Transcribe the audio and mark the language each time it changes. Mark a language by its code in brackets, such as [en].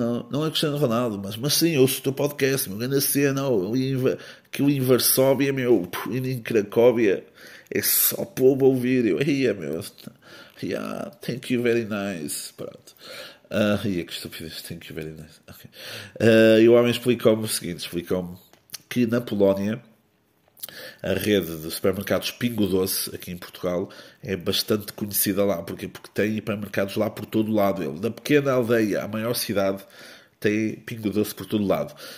[pt] Não é Cristiano Ronaldo, mas sim, ouço o teu podcast, meu. Grande cena, que o em Varsóvia, meu, em Cracóvia, é só povo a ouvir. Eu, aí, meu. [en] Yeah, thank you very nice. [pt] Pronto. Que estupidez, [en] thank you very nice. Okay. [pt] E o homem explicou-me o seguinte: explicou-me que na Polónia a rede de supermercados Pingo Doce, aqui em Portugal, é bastante conhecida lá. Porquê? Porque tem hipermercados lá por todo lado. Ele, da pequena aldeia à maior cidade, tem Pingo Doce por todo lado.